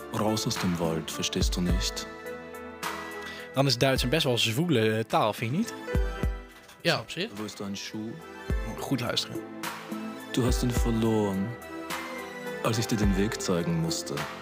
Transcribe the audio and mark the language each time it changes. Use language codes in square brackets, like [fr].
[de] Raus aus dem Wald, verstehst du nicht? [nl] Dan is Duits een best wel zwoele taal, vind je niet? Ja, op zich. [de] Wo ist dein Schuh? [nl] Goed luisteren. [de] Du hast ihn verloren, als ich dir den Weg zeigen musste.